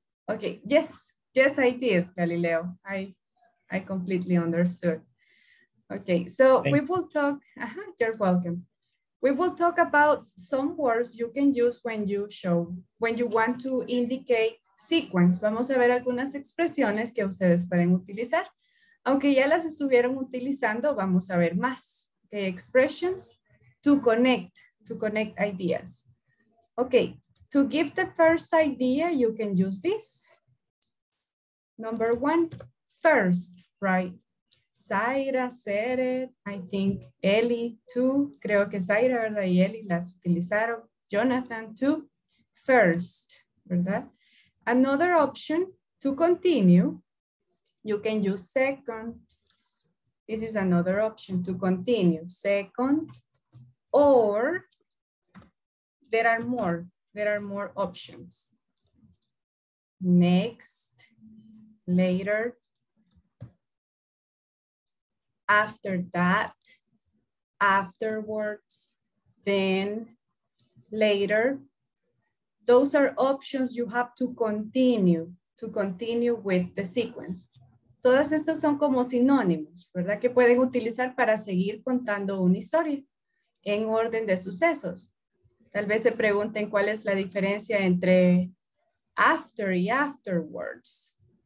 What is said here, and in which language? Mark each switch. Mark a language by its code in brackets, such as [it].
[en] Okay, yes, I did, Galileo. I completely understood. Okay, so we will talk, you're welcome. We will talk about some words you can use when you want to indicate sequence. [es] Vamos a ver algunas expresiones que ustedes pueden utilizar. Aunque ya las estuvieron utilizando, vamos a ver más. [en] Okay, expressions to connect ideas. Okay, to give the first idea, you can use this. Number one, first, right? Zaira, Seret, I think Eli, too. [es] Creo que Zaira, ¿verdad? Y Eli las utilizaron. [en] Jonathan, too. First, ¿verdad? Another option, to continue. You can use second. This is another option to continue. Second, or there are more options. Next, later, after that, afterwards, then, later. Those are options you have to continue with the sequence. [es] Todas estas son como sinónimos, ¿verdad? Que pueden utilizar para seguir contando una historia en orden de sucesos. Tal vez se pregunten cuál es la diferencia entre after y afterwards.